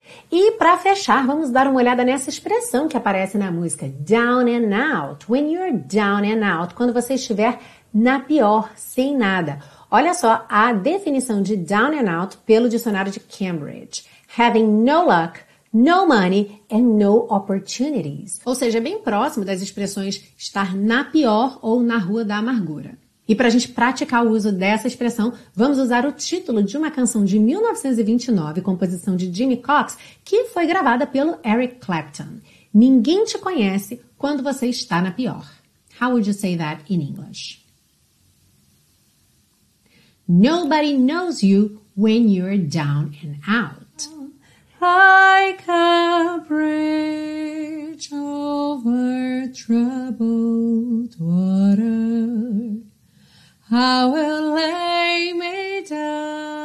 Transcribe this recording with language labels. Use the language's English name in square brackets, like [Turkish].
[Portuguese] E para fechar, vamos dar uma olhada nessa expressão que aparece na música, down and out, [English] when you're down and out, [Portuguese] quando você estiver na pior, sem nada. Olha só a definição de down and out pelo dicionário de Cambridge. [English] Having no luck, no money and no opportunities. [Portuguese] Ou seja, é bem próximo das expressões estar na pior ou na rua da amargura. E para a gente praticar o uso dessa expressão, vamos usar o título de uma canção de 1929, composição de Jimmy Cox, que foi gravada pelo Eric Clapton. Ninguém te conhece quando você está na pior. [English] How would you say that in English? Nobody knows you when you're down and out. Like a bridge over troubled water, I will lay me down.